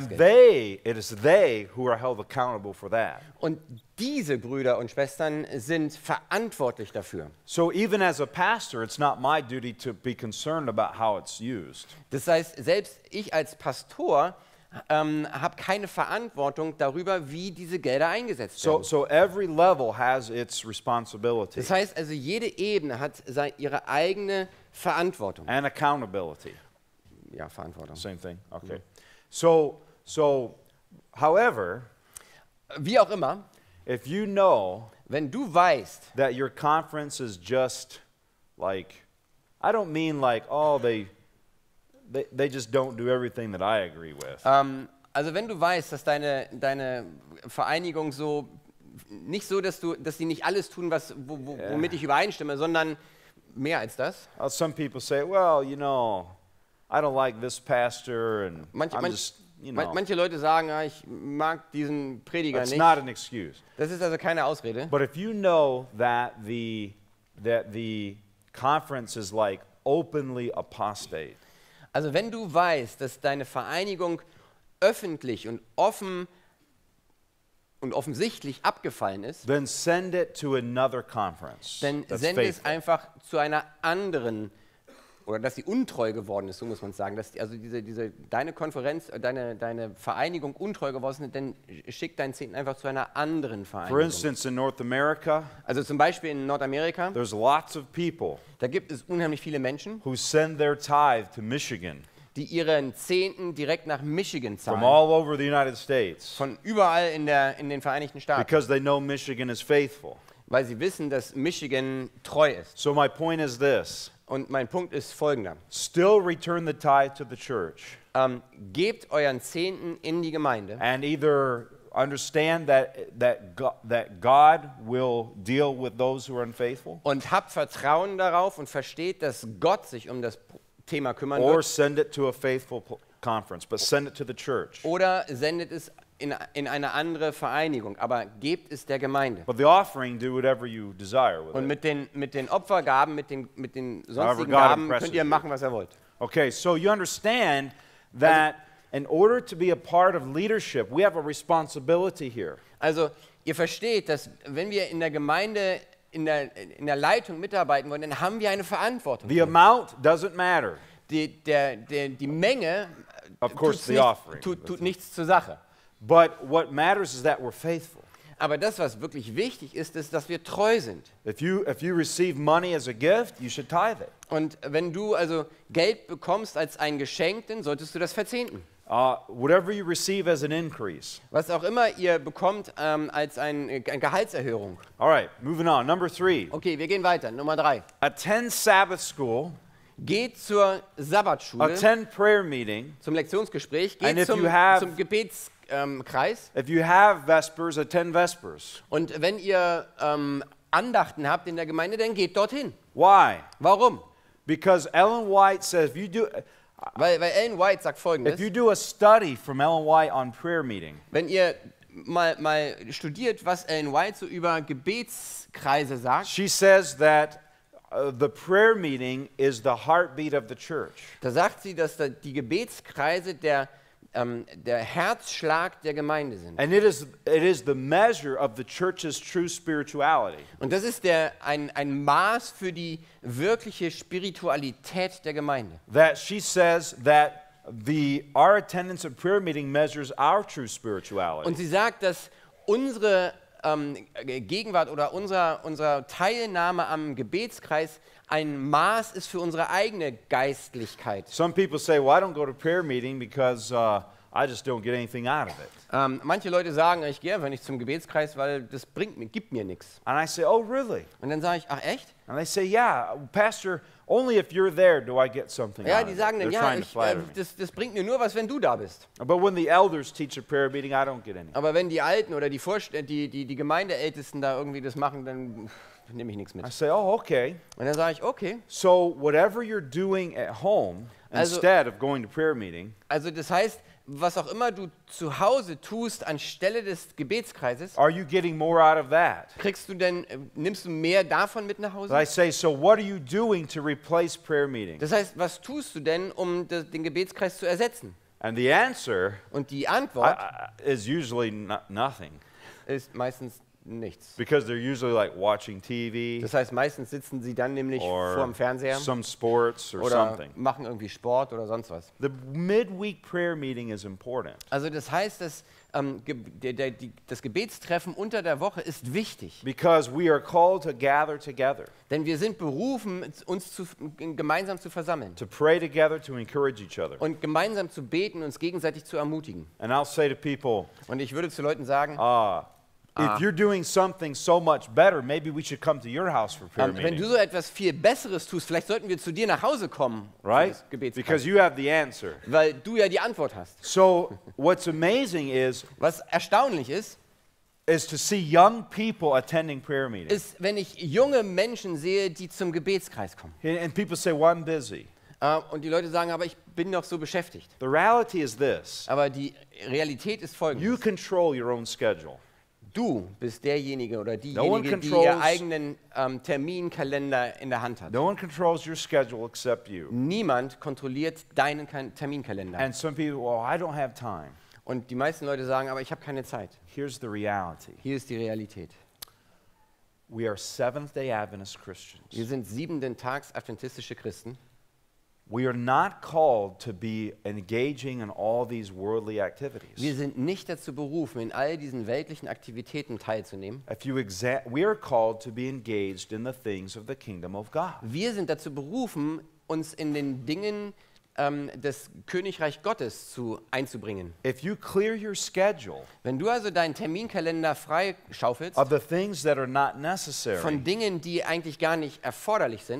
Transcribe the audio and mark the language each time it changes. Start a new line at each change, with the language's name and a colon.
English: And they, it is they who are held accountable for that.
German: Und diese Brüder und Schwestern sind verantwortlich dafür.
English: So even as a pastor, it's not my duty to be concerned about how it's used.
German: Das heißt, selbst ich als Pastor habe keine Verantwortung darüber, wie diese Gelder eingesetzt werden.
English: So every level has its responsibility.
German: Das heißt, also jede Ebene hat ihre eigene Verantwortung.
English: And accountability.
German: Ja, Verantwortung.
English: Same thing. Okay. So however,
German: wie auch immer,
English: if you know,
German: wenn du weißt,
English: that your conference is just like, I don't mean like, oh, they just don't do everything that I agree with.
German: Also wenn du weißt, dass deine Vereinigung so nicht so, dass sie nicht alles tun, womit ich übereinstimme, sondern mehr als das.
English: Some people say, well, you know, I don't like this pastor and
German: manche Leute sagen, ich mag diesen Prediger nicht.
English: It's not an excuse.
German: Das ist also keine Ausrede.
English: But if you know that the conference is like openly apostate.
German: Also wenn du weißt, dass deine Vereinigung öffentlich und offen und offensichtlich abgefallen ist,
English: then send it to another conference.
German: Dann sende es einfach zu einer anderen, oder dass sie untreu geworden ist, so muss man sagen, dass also diese deine Konferenz, deine Vereinigung untreu geworden ist, dann schick deinen Zehnten einfach zu einer anderen Vereinigung.
English: For instance, in North America,
German: also zum Beispiel in Nordamerika,
English: there's lots of people,
German: da gibt es unheimlich viele Menschen,
English: who send their tithe to Michigan,
German: die ihren Zehnten direkt nach Michigan zahlen.
English: From all over the United States.
German: Von überall in den Vereinigten Staaten.
English: Because they know Michigan is faithful.
German: Weil sie wissen, dass Michigan treu ist.
English: So my point is this.
German: Und mein Punkt ist folgender.
English: Still return the tithe to the church.
German: Gebt euren Zehnten in die Gemeinde.
English: And either understand that God will deal with those who are unfaithful.
German: Und habt Vertrauen darauf und versteht, dass Gott sich um das Thema kümmern
English: or
German: wird.
English: Send it to a faithful conference, but send it to the church.
German: Oder sendet es in eine andere Vereinigung, aber gebt es der Gemeinde.
English: But the offering, do whatever you desire with
German: und
English: it.
German: Und mit den Opfergaben, mit den sonstigen Gaben könnt ihr machen, was ihr wollt.
English: Okay, so you understand that in order to be a part of leadership, we have a responsibility here.
German: Also, ihr versteht, dass wenn wir in der Gemeinde in der Leitung mitarbeiten wollen, dann haben wir eine Verantwortung.
English: The amount doesn't matter.
German: Die Menge
English: of course the offering
German: tut nichts zur Sache.
English: But what matters is that we're faithful.
German: Aber das, was wirklich wichtig ist, ist, dass wir treu sind.
English: If you receive money as a gift, you should tithe it.
German: Und wenn du also Geld bekommst als ein Geschenk, dann solltest du das verzehnten.
English: Whatever you receive as an increase.
German: Was auch immer ihr bekommt als eine Gehaltserhöhung.
English: All right, moving on. Number three.
German: Okay, wir gehen weiter. Nummer drei.
English: Attend Sabbath school.
German: Geht zur Sabbatschule.
English: Attend prayer meeting.
German: Zum Lektionsgespräch. Geht zum Gebetskreis.
English: If you have vespers, attend vespers.
German: Und wenn ihr Andachten habt in der Gemeinde, dann geht dorthin.
English: Why?
German: Warum?
English: Because Ellen White says if you do.
German: Weil Ellen White sagt Folgendes.
English: If you do a study from Ellen White on prayer meeting,
German: wenn ihr mal studiert, was Ellen White so über Gebetskreise sagt,
English: she says that the prayer meeting is the heartbeat of the church.
German: Da sagt sie, dass die Gebetskreise der Herzschlag der Gemeinde sind.
English: And it is the measure of the church's true spirituality.
German: Und das ist ein Maß für die wirkliche Spiritualität der Gemeinde.
English: That she says that our attendance at prayer meeting measures our true spirituality.
German: Und sie sagt, dass unsere Gegenwart oder unsere Teilnahme am Gebetskreis ein Maß ist für unsere eigene Geistlichkeit.
English: Some people say, well, I don't go to prayer meeting because I just don't get anything out of it.
German: Manche Leute sagen, ich gehe einfach nicht zum Gebetskreis, weil das bringt mir, gibt mir nichts.
English: And I say, oh really?
German: Und dann sage ich, ach echt?
English: And they say, yeah, pastor, only if you're there do I get something.
German: Ja, die sagen dann, ja, das bringt mir nur was, wenn du da bist.
English: But when the elders teach a prayer meeting, I don't get any.
German: Aber wenn die Alten oder die Gemeindeältesten da irgendwie das machen, dann nehme ich nichts mit.
English: I say, oh okay.
German: Und dann sage ich, okay.
English: So whatever you're doing at home instead of going to prayer meeting.
German: Also das heißt, was auch immer du zu Hause tust anstelle des Gebetskreises,
English: are you getting more out of that?
German: Kriegst du denn, nimmst du mehr davon mit nach Hause?
English: I say, so what are you doing to replace prayer meeting?
German: Das heißt, was tust du denn, um den Gebetskreis zu ersetzen?
English: And the answer,
German: und die Antwort
English: is usually nothing.
German: Ist meistens nichts.
English: Because they're usually like watching TV.
German: Das heißt, meistens sitzen sie dann nämlich vorm Fernseher.
English: Some sports or
German: oder
English: something.
German: Machen irgendwie Sport oder sonst was.
English: The midweek prayer meeting is important.
German: Also das heißt, das Gebetstreffen unter der Woche ist wichtig.
English: Because we are called to gather together.
German: Denn wir sind berufen, uns gemeinsam zu versammeln.
English: To pray together, to encourage each other.
German: Und gemeinsam zu beten, uns gegenseitig zu ermutigen.
English: And I'll say to people,
German: und ich würde zu Leuten sagen,
English: if you're doing something so much better, maybe we should come to your house for prayer meeting.
German: Wenn du so etwas viel Besseres tust, vielleicht sollten wir zu dir nach Hause kommen.
English: Right? Because you have the answer.
German: Weil du ja die Antwort hast.
English: So what's amazing is,
German: was erstaunlich ist,
English: is to see young people attending prayer meetings.
German: Ist, wenn ich junge Menschen sehe, die zum Gebetskreis kommen.
English: And people say, well, I'm busy.
German: Und die Leute sagen, aber ich bin noch so beschäftigt.
English: The reality is this.
German: Aber die Realität ist folgendes.
English: You control your own schedule.
German: Du bist derjenige oder diejenige, die ihren eigenen Terminkalender in der Hand hat.
English: No one controls your schedule except you.
German: Niemand kontrolliert deinen Terminkalender.
English: And some people, well, I don't have time.
German: Und die meisten Leute sagen, aber ich habe keine Zeit.
English: Here's the reality.
German: Hier ist die Realität.
English: We are Seventh-day Adventist Christians.
German: Wir sind siebenten Tags adventistische Christen.
English: We are not called to be engaging in all these worldly activities.
German: Wir sind nicht dazu berufen, in all diesen weltlichen Aktivitäten teilzunehmen.
English: We are called to be engaged in the things of the kingdom of God.
German: Wir sind dazu berufen, uns in den Dingen des Königreich Gottes einzubringen.
English: If you clear your schedule,
German: wenn du also deinen Terminkalender freischaufelst,
English: of the things that are not necessary,
German: von Dingen, die eigentlich gar nicht erforderlich sind,